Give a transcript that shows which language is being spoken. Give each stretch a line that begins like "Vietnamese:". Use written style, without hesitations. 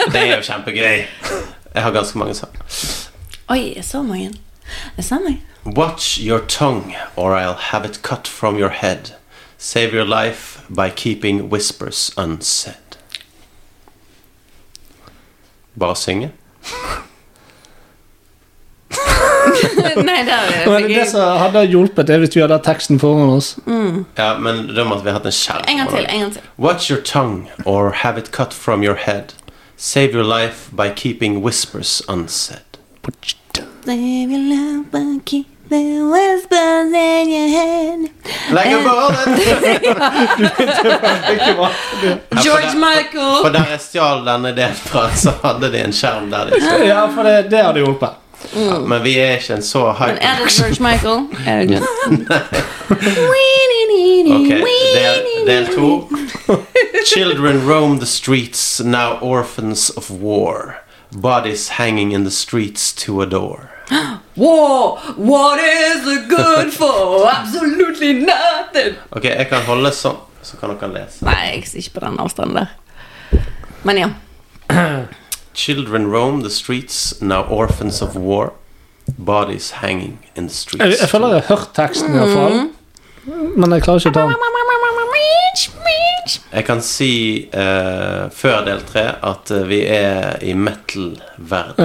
Norwegian: Det er jo kjempegøy. Jeg har ganske mange sanger. Å Oi, jeg så mange. Jeg sa meg.
English: Watch your tongue, or I'll have it cut from your head. Save your life by keeping whispers unsaid.
Norwegian: Bare synge. Nei, det har vi ikke. Det som hadde hjulpet er hvis vi hadde teksten foran oss. Mm. Ja, men da måtte vi ha hatt en kjærlighet. En gang til, en gang til.
English: Watch your tongue, or have it cut from your head. Save your life by keeping whispers unsaid. Watch your tongue. Save your life by keeping whispers in your head. Like a ball. George Michael.
Norwegian: For der jeg stjal denne delen fra, så hadde de en kjærlighet der. Liksom. Ja, for det hadde hjulpet. Mm. Men vi er ikke en så hype. Men er det George Michael? Er det gønn? Del 2.
English: Children roam the streets, now orphans of war. Bodies hanging in the streets to adore. War, what is it good for? Absolutely nothing.
Norwegian: Ok, jeg kan holde sånn, så kan dere lese. Nei, jeg ser ikke på den avstanden der. Men ja.
English: Children roam the streets, now orphans of war. Bodies hanging in the streets.
Norwegian: Jeg føler jeg har hørt teksten i hvert fall. Men jeg klarer ikke å ta den. Jeg kan si før del 3 at vi er i metal-verden.